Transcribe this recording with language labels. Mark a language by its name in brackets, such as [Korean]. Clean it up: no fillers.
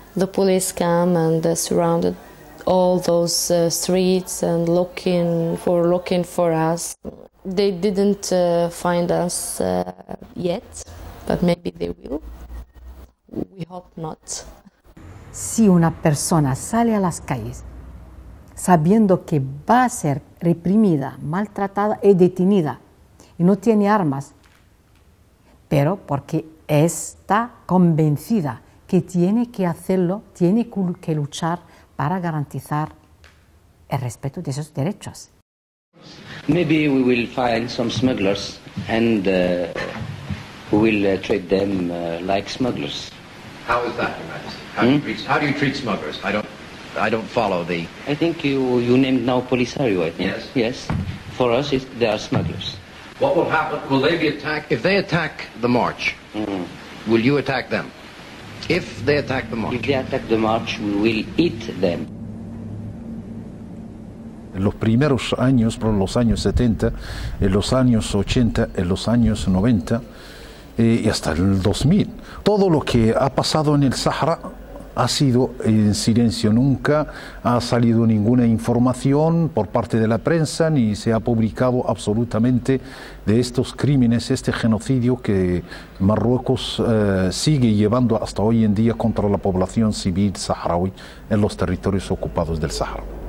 [English] The police came and surrounded all those streets and looking for us. They didn't find us yet, but maybe they will. We hope not. [Spanish] Si una persona sale a las calles sabiendo que va a ser reprimida, maltratada y detenida, y no tiene armas, pero porque está convencida que tiene que hacerlo, tiene que luchar para garantizar el respeto de esos derechos. [English] Maybe we will find some smugglers and we will treat them like smugglers. How is that, Your Majesty? How do you treat smugglers? I don't follow the. I think you named now Polisario. I think yes. For us, they are smugglers. What will happen? Will they be attacked? If they attack the march, will you attack them? If they attack the march. If they attack the march, we will eat them. [Spanish] En los primeros años, por los años 70, en los años 80, en los años 90, y hasta el 2000, todo lo que ha pasado en el Sahara ha sido en silencio. Nunca ha salido ninguna información por parte de la prensa, ni se ha publicado absolutamente de estos crímenes, este genocidio que Marruecos sigue llevando hasta hoy en día contra la población civil saharaui en los territorios ocupados del Sahara.